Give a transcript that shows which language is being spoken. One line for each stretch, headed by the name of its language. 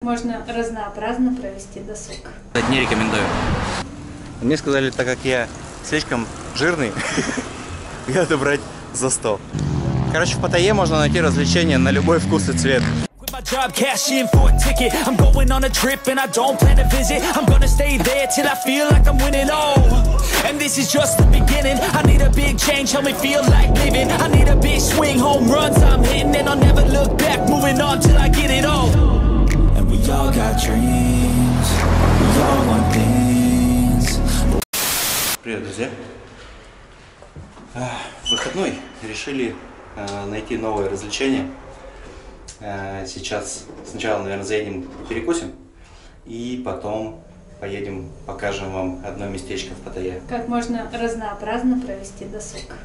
Russian: Можно разнообразно провести досуг. Не рекомендую. Мне сказали, так как я слишком жирный, надо брать за 100. Короче, в Паттайе можно найти развлечения на любой вкус и цвет.
English: Job cashing for a ticket. I'm going on a trip and I don't plan to visit. I'm gonna stay there till I feel like I'm winning all. And this is just the beginning. I need a big change, help me feel like living. I need a big swing, home runs I'm hitting. And I'll never look back, moving on till I get it all. And we all got dreams, we all want things.
Russian: Привет, друзья. Выходной. Решили найти новое развлечение. Сейчас сначала, наверное, заедем перекусим и потом поедем покажем вам одно местечко в Паттайе. Как можно разнообразно провести досуг.